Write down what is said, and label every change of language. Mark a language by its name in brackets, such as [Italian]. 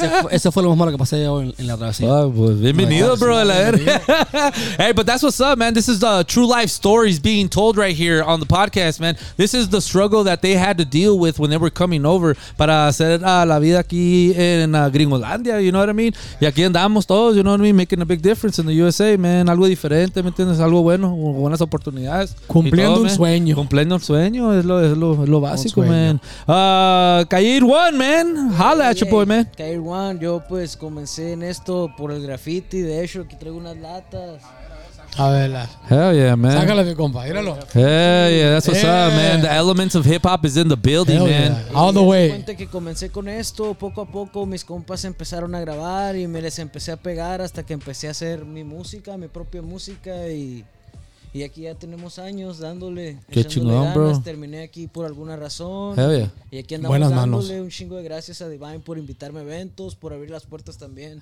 [Spanish] Ese fue lo más malo que pasé en la travesía. Pues bienvenido, [English] bro. Hey, but that's what's up, man. This is the true life stories being told right here on the podcast, man. This is the struggle that they had to deal with when they were coming over [Spanish] para hacer la vida aquí en Gringolandia, [English] you know what I mean? [Spanish] Y aquí andamos todos, [English] you know what I mean? Making a big difference in the USA, man. [Spanish] Algo diferente, ¿me entiendes? Algo bueno, buenas oportunidades. Cumpliendo un sueño. Cumpliendo un sueño es lo básico, man. Kair One, man. Kair One, yo pues comencé en esto por el graffiti. De hecho, aquí traigo unas latas. [English] Hell yeah, man. [Spanish] Sácala, mi compa, míralo. [English] Hell yeah, that's what's up, man. The elements of hip hop is in the building, hell man. Yeah. All the way. [Spanish] Cuenta que comencé con esto, poco a poco mis compas empezaron a grabar y me les empecé a pegar hasta que empecé a hacer mi música, mi propia música. Y aquí ya tenemos años dándole. Qué chingón, ganas, bro. Terminé aquí por alguna razón. [English] Hell yeah. [Spanish] Y aquí andamos buenas dándole manos. Un chingo de gracias a Devine por invitarme a eventos, por abrir las puertas también.